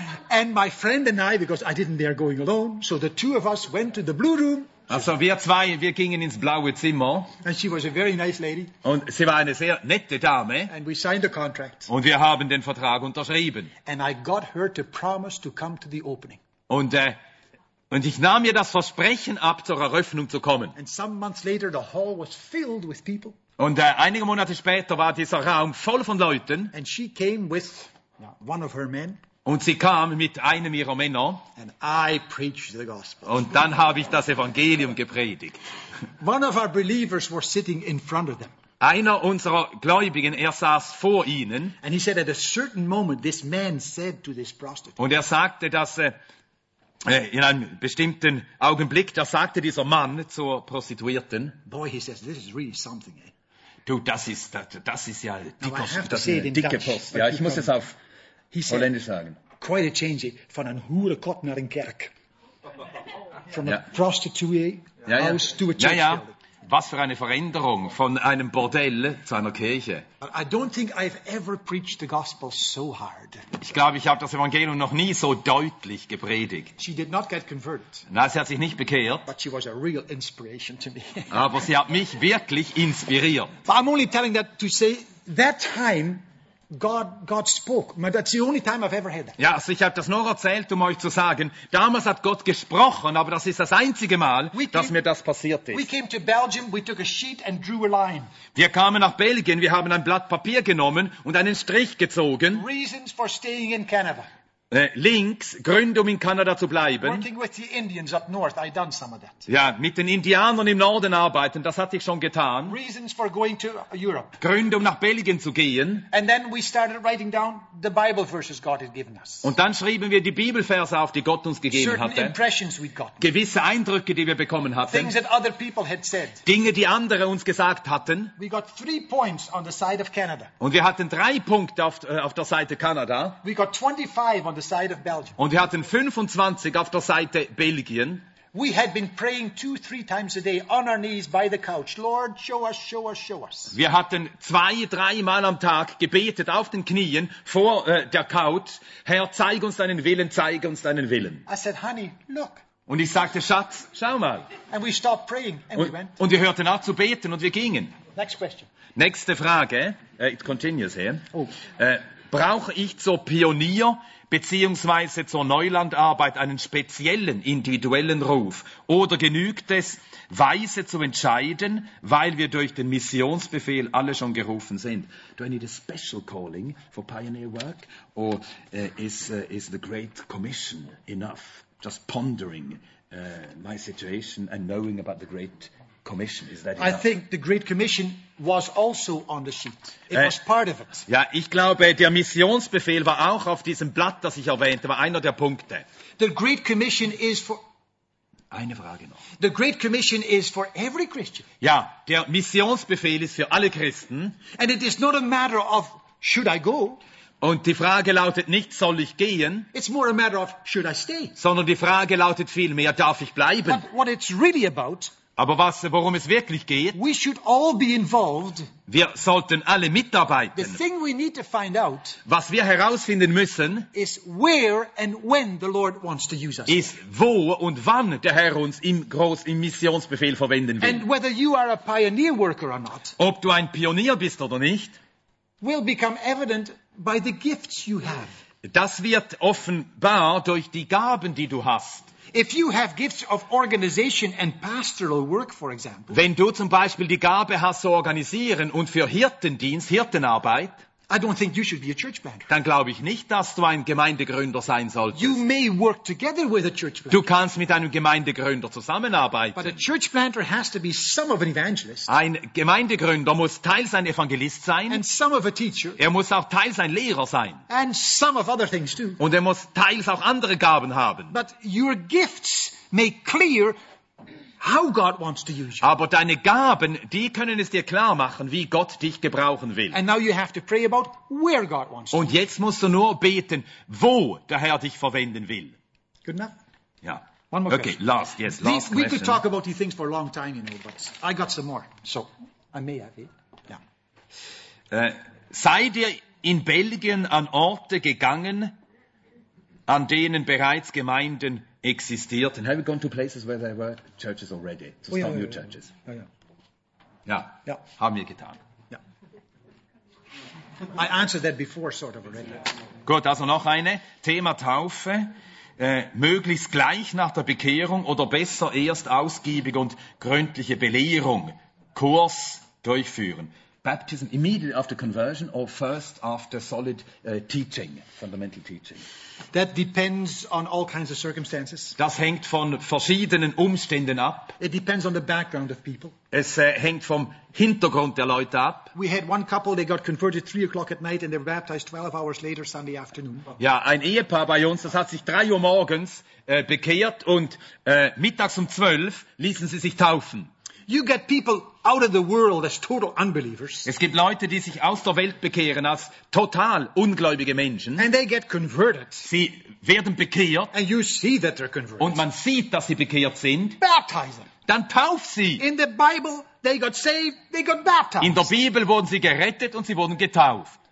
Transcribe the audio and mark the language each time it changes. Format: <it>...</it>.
<en>And my friend and I, because I didn't dare going alone, so the two of us went to the blue room.</en> <de>Also wir gingen ins blaue Zimmer.</de> <en>And she was a very nice lady.</en> <de>Und sie war eine sehr nette Dame.</de> <en>And we signed a contract.</en> <de>Und wir haben den Vertrag unterschrieben.</de> <en>And I got her to promise to come to the opening.</en> <de>Und ich nahm ihr das Versprechen ab, zur Eröffnung zu kommen.</de> <en>And some months later, the hall was filled with people.</en> <de>Und einige Monate später war dieser Raum voll von Leuten.</de> <en>And she came with one of her men.</en> <de>Und sie kam mit einem ihrer Männer.</de> <en>And I preached the gospel.</en> <de>Und dann habe ich das Evangelium gepredigt.</de> <en>One of our believers was sitting in front of them.</en> <de>Einer unserer Gläubigen, er saß vor ihnen.</de> <en>And he said at a certain moment, this man said to this prostitute.</en> <de>Und er sagte, dass In einem bestimmten Augenblick, da sagte dieser Mann zur Prostituierten,</de> <en>Boy, he says, this is really something, eh?</en> <de>Du, das ist ja dicker, das ist eine dicke Post. Ja, ich muss es auf Holländisch sagen.</de> <en>Quite a change</en> <de>von einem</de> <nl>Hurekottner in Kerk.</nl> <en>From a prostituee house to a church building.</en> <de>Was für eine Veränderung von einem Bordell zu einer Kirche.</de> <en>I don't think I've ever preached the gospel so hard.</en> <de>Ich glaube, ich habe das Evangelium noch nie so deutlich gepredigt.</de> <en>She did not get converted.</en> <de>Nein, sie hat sich nicht bekehrt.</de> <en>But she was a real inspiration to me.</en> <de>Aber sie hat mich wirklich inspiriert.</de> <en>But I'm only telling that to say that time God spoke. That's the only time I've ever had that.</en> <de>Ja, also ich habe das nur erzählt, um euch zu sagen, damals hat Gott gesprochen, aber das ist das einzige Mal, dass mir das passiert ist.</de> <en>We came to Belgium, we took a sheet and drew a line.</en> <de>Wir kamen nach Belgien, wir haben ein Blatt Papier genommen und einen Strich gezogen.</de> <en>Reasons for staying in Canada.</en> <de>Links, Gründe, um in Kanada zu bleiben.</de> <en>Working with the Indians up north, I done some of that.</en> <de>Ja, mit den Indianern im Norden arbeiten, das hatte ich schon getan.</de> <en>Reasons for going to Europe.</en> <de>Gründe, um nach Belgien zu gehen.</de> <en>And then we started writing down the Bible verses God had given us.</en> <de>Und dann schrieben wir die Bibelverse auf, die Gott uns gegeben</de> <en>Certain</en> <de>hatte.</de> <en>Impressions we'd gotten.</en> <de>Gewisse Eindrücke, die wir bekommen hatten.</de> <en>Things that other people had said.</en> <de>Dinge, die andere uns gesagt hatten.</de> <en>We got 3 points on the side of Canada.</en> <de>Und wir hatten 3 Punkte auf der Seite Kanada.</de> <en>We got 25 on the side of Belgium.</en> <de>Und wir hatten 25 auf der Seite Belgien.</de> <en>We had been praying 2-3 times a day on our knees by the couch. Lord, show us, show us, show us.</en> <de>Wir hatten 2-3 Mal am Tag gebetet auf den Knien vor der Couch. Herr, zeig uns deinen Willen, zeig uns deinen Willen.</de> <en>I said, honey, look.</en> <de>Und ich sagte, Schatz, schau mal.</de> <en>And we stopped praying and we went.</en> <de>Und wir hörten auf zu beten und wir gingen.</de> <en>Next question.</en> <de>Nächste Frage.</de> <en>It continues here. Oh.</en> <de>Brauche ich zur Pionier- bzw. zur Neulandarbeit einen speziellen individuellen Ruf? Oder genügt es, weise zu entscheiden, weil wir durch den Missionsbefehl alle schon gerufen sind?</de> <en>Do I need a special calling for pioneer work? Or is the Great Commission enough? Just pondering my situation and knowing about the Great Commission, is that enough? I think the Great Commission was also on the sheet. It was part of it.</en> <de>Ja, ich glaube, der Missionsbefehl war auch auf diesem Blatt, das ich erwähnte, war einer der Punkte.</de> <en>The Great Commission is for...</en> <de>Eine Frage noch.</de> <en>The Great Commission is for every Christian.</en> <de>Ja, der Missionsbefehl ist für alle Christen.</de> <en>And it is not a matter of, should I go?</en> <de>Und die Frage lautet nicht, soll ich gehen?</de> <en>It's more a matter of, should I stay?</en> <de>Sondern die Frage lautet vielmehr, darf ich bleiben?</de> <en>But what it's really about...</en> <de>Aber worum es wirklich geht,</de> <en>we should all be involved.</en> <de>Wir sollten alle mitarbeiten.</de> <en>The thing we need to find out,</en> <de>was wir herausfinden müssen,</de> <en>is where and when the Lord wants to use us.</en> <de>Ist wo und wann der Herr uns im Missionsbefehl verwenden will.</de> <en>And whether you are a pioneer worker or not,</en> <de>ob du ein Pionier bist oder nicht,</de> <en>will become evident by the gifts you have.</en> <de>Das wird offenbar durch die Gaben, die du hast.</de> <en>If you have gifts of organization and pastoral work, for example,</en> <de>wenn du zum Beispiel die Gabe hast zu organisieren und für Hirtendienst, Hirtenarbeit,</de> <en>I don't think you should be a church planter.</en> <de>Dann glaube ich nicht, dass du ein Gemeindegründer sein solltest.</de> <en>You may work together with a church planter.</en> <de>Du kannst mit einem Gemeindegründer zusammenarbeiten.</de> <en>But a church planter has to be some of an evangelist.</en> <de>Ein Gemeindegründer muss teils ein Evangelist sein.</de> <en>And some of a teacher.</en> <de>Er muss auch teils ein Lehrer sein.</de> <en>And some of other things too.</en> <de>Und er muss teils auch andere Gaben haben.</de> <en>But your gifts may clear how God wants to use you.</en> <de>Aber deine Gaben, die können es dir klar machen, wie Gott dich gebrauchen will.</de> <en>And now you have to pray about where God wants</en> <de>Und</de> <en>to</en> <de>jetzt musst du nur beten, wo der Herr dich verwenden will.</de> <en>Good enough?</en> <de>Ja.</de> <en>One more okay, question. Last, yes, last we question. We could talk about these things for a long time, you know, but I got some more. So, I may have it. Yeah.</en> <de>Seid ihr in Belgien an Orte gegangen, an denen bereits Gemeinden existiert.</de> <en>And have you gone to places where there were churches already? To start new churches?</en> <de>Ja, haben wir getan.</de> <en>Yeah. I answered that before sort of already.</en> <de>Gut, also noch eine. Thema Taufe. Möglichst gleich nach der Bekehrung oder besser erst ausgiebige und gründliche Belehrung. Kurs durchführen.</de> <en>baptism immediately after conversion or first after solid teaching, fundamental teaching? That depends on all kinds of circumstances.</en> <de>Das hängt von verschiedenen Umständen ab.</de> <en>It depends on the background of people.</en> <de>Es hängt vom Hintergrund der Leute ab.</de> <en>We had one couple, they got converted 3 o'clock at night and they were baptized 12 hours later Sunday afternoon.</en> <de>Ja, ein Ehepaar bei uns, das hat sich 3 Uhr morgens bekehrt und mittags um 12 ließen sie sich taufen.</de> <en>You get people out of the world as total unbelievers.</en> <de>Es gibt Leute, die sich aus der Welt bekehren als total ungläubige Menschen.</de> <en>And they get converted.</en> <de>Sie werden bekehrt.</de> <en>And you see that they're converted.</en> <de>Und man sieht, dass sie bekehrt sind.</de> <en>Baptize them.</en> <de>Dann tauf sie.</de> <en>In the Bible, they got saved, they got baptized.</en> <de>In der Bibel wurden sie gerettet und sie wurden getauft.</de>